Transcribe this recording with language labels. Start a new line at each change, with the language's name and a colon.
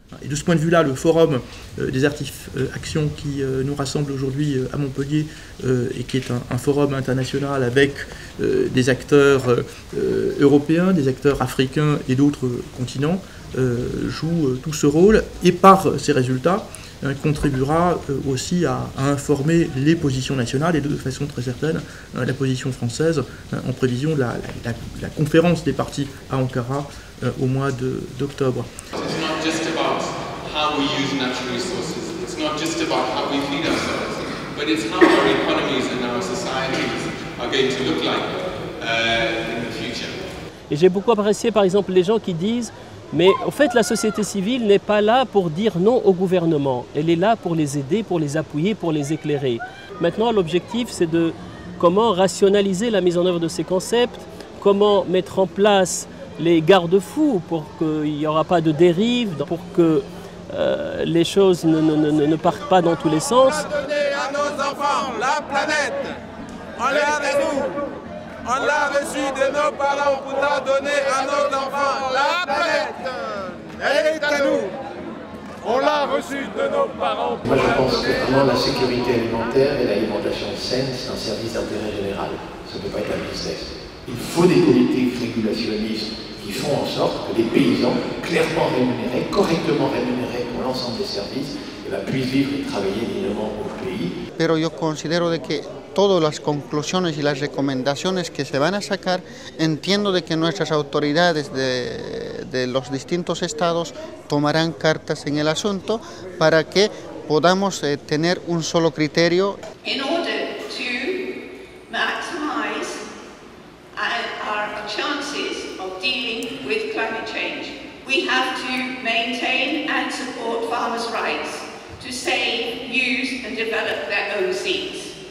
French: Et de ce point de vue-là, le forum des Artifs Action qui nous rassemble aujourd'hui à Montpellier et qui est un forum international avec des acteurs européens, des acteurs africains et d'autres continents, joue tout ce rôle et par ses résultats contribuera aussi à informer les positions nationales et de façon très certaine la position française en prévision de la conférence des partis à Ankara au mois d'octobre.
English: How we use natural resources. It's not just about how we feed ourselves, but it's how our economies and our societies are going to look like in the future.
French: Et j'ai beaucoup apprécié, par exemple, les gens qui disent, mais en fait, la société civile n'est pas là pour dire non au gouvernement. Elle est là pour les aider, pour les appuyer, pour les éclairer. Maintenant, l'objectif, c'est de comment rationaliser la mise en œuvre de ces concepts, comment mettre en place les garde-fous pour qu'il n'y aura pas de dérive, pour que les choses ne partent pas dans tous les sens. On a donné à nos enfants la planète. On l'a avec nous. On l'a reçu de nos parents pour la donner à nos enfants la planète. Elle est à nous. On l'a reçu de nos parents. Moi, je pense que vraiment la sécurité alimentaire et l'alimentation saine, c'est un service d'intérêt général. Ça ne peut pas être un business. Il faut des politiques régulationnistes qui font en sorte que les paysans, clairement rémunérés, correctement rémunérés pour l'ensemble des services, puissent vivre et travailler dignement au pays.
Spanish: Pero yo considero de que todas las conclusiones y las recomendaciones que se van a sacar, entiendo de que nuestras autoridades de los distintos estados tomarán cartas en el asunto para que podamos tener un solo criterio.
English: In order to maximize our chances of dealing with climate change, we have to maintain and support farmers' rights to save, use and develop their own seeds.